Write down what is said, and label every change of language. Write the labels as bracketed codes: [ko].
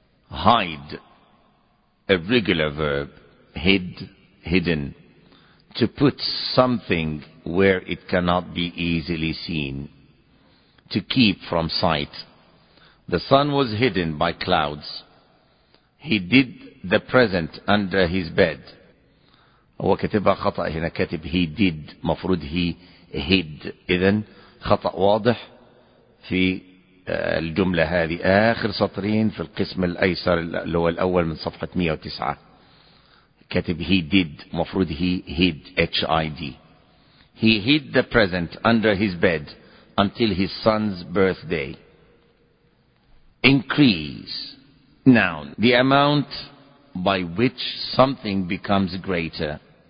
[en] Hide. A regular verb. Hid. Hidden. To put something where it cannot be easily seen. To keep from sight. The sun was hidden by clouds. He did the present under his bed. [ar] هو كتبها خطأ هنا كاتب [en] he did [ar] مفروض [en] he hid. [ar] إذن خطأ واضح في الجملة هذه آخر سطرين في القسم الأيسر اللي هو الأول من صفحة 109. كاتب [en] he did [ar] مفروض [en] he hid H-I-D. He hid the present under his bed until his son's birthday. Increase. Noun. The amount by which something becomes greater.